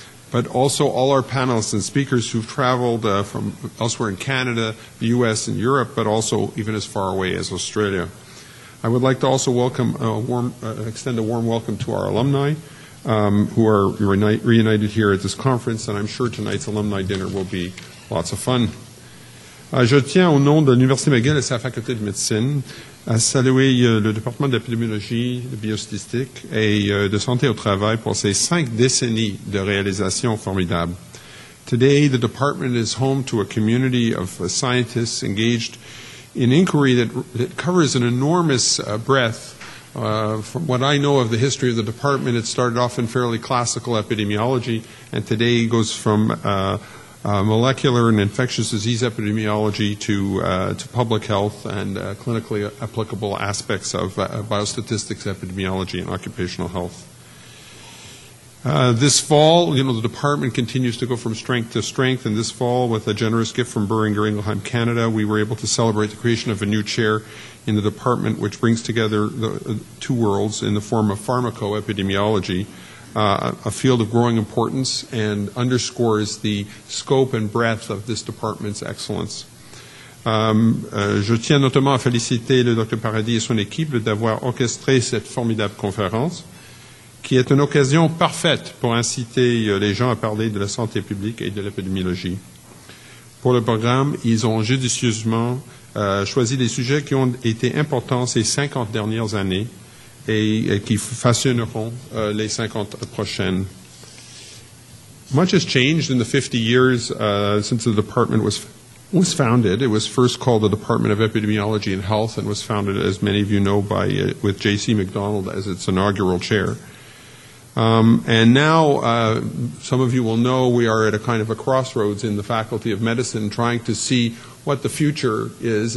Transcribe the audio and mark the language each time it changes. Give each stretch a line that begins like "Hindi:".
English: But also all our panelists and speakers who've traveled from elsewhere in Canada, the U.S. and Europe, but also even as far away as Australia. I would like to also extend a warm welcome to our alumni who are reunited here at this conference, and I'm sure tonight's alumni dinner will be lots of fun.
French: Je tiens au nom de l'Université McGill et sa faculté de médecine à saluer le département d'épidémiologie, de biostatistique et de santé au travail pour ses cinq décennies de réalisations formidables.
English: Today, the department is home to a community of scientists engaged in inquiry that covers an enormous breadth. From what I know of the history of the department, it started off in fairly classical epidemiology, and today it goes from molecular and infectious disease epidemiology to public health and clinically applicable aspects of biostatistics, epidemiology, and occupational health. This fall, you know, the department continues to go from strength to strength, and this fall, with a generous gift from Boehringer Ingelheim Canada, we were able to celebrate the creation of a new chair in the department, which brings together the two worlds in the form of pharmacoepidemiology, a field of growing importance, and underscores the scope and breadth of this department's excellence.
French: Je tiens notamment à féliciter le Dr. Paradis et son équipe d'avoir orchestré cette formidable conférence, qui est une occasion parfaite pour inciter les gens à parler de la santé publique et de l'épidémiologie. Pour le programme, ils ont judicieusement choisi des sujets qui ont été importants ces 50 dernières années et qui façonneront les 50 prochaines.
English: Much has changed in the 50 years since the department was founded. It was first called the Department of Epidemiology and Health and was founded, as many of you know, with J.C. MacDonald as its inaugural chair. And now, some of you will know, we are at a kind of a crossroads in the Faculty of Medicine trying to see what the future is.